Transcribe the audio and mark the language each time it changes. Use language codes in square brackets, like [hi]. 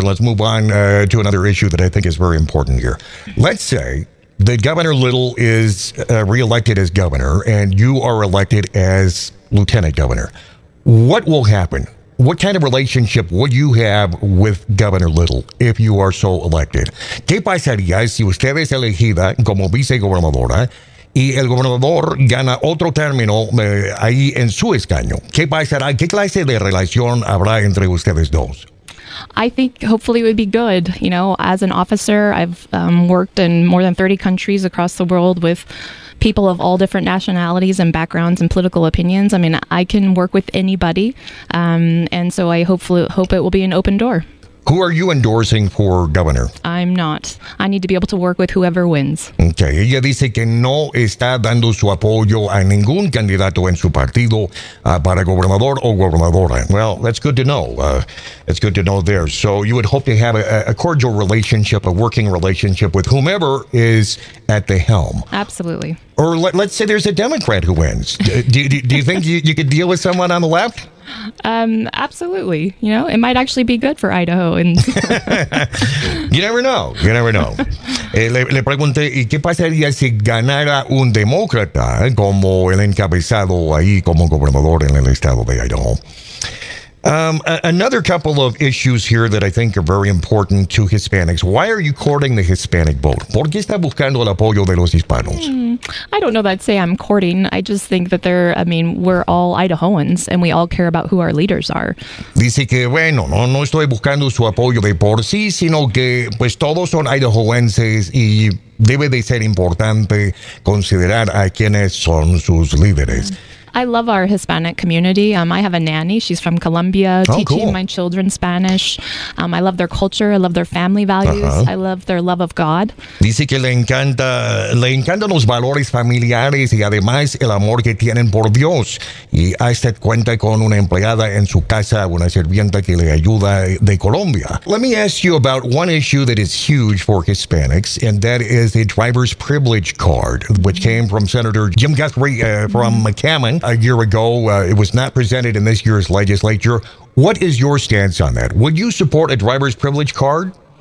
[en] Let's move on to another issue that I think is very important here. Let's say that Governor Little is reelected as governor and you are elected as lieutenant governor. What will happen? What kind of relationship would you have with Governor Little if you are so elected? [es] ¿Qué pasaría si usted es elegida como vicegobernadora y el gobernador gana otro término ahí en su escaño? ¿Qué pasará? ¿Qué clase de relación habrá entre ustedes dos? [en] I think hopefully it would be good. You know, as an officer, I've worked in more than 30 countries across the world with people of all different nationalities and backgrounds and political opinions. I mean, I can work with anybody. And so I hope it will be an open door. Who are you endorsing for governor? I'm not. I need to be able to work with whoever wins. Okay. [es] Ella dice que no está dando su apoyo a ningún candidato en su partido para gobernador o gobernadora. [en] Well, that's good to know. That's good to know there. So you would hope to have a cordial relationship, a working relationship with whomever is at the helm. Absolutely. Or let's say there's a Democrat who wins. Do you think you could deal with someone on the left? Absolutely. You know, it might actually be good for Idaho. And You never know. [es] Le pregunté, ¿y qué pasaría si ganara un demócrata como el encabezado ahí como gobernador en el estado de Idaho? [en] Another couple of issues here that I think are very important to Hispanics. Why are you courting the Hispanic vote? [es] ¿Por qué está buscando el apoyo de los hispanos? [en] I don't know that I'd say I'm courting. I just think that we're all Idahoans and we all care about who our leaders are. [es] Dice que, bueno, no estoy buscando su apoyo de por sí, sino que pues todos son Idahoenses y debe de ser importante considerar a quienes son sus líderes. Mm. [en] I love our Hispanic community. I have a nanny. She's from Colombia, teaching my children Spanish. I love their culture. I love their family values. Uh-huh. I love their love of God. [es] Dice que le encanta los valores familiares y además el amor que tienen por Dios. Y hasta cuenta con una empleada en su casa, una sirvienta que le ayuda de Colombia. [en] Let me ask you about one issue that is huge for Hispanics, and that is the driver's privilege card, which came from Senator Jim Guthrie from McCammon. A year ago, it was not presented in this year's legislature. What is your stance on that? Would you support a driver's privilege card?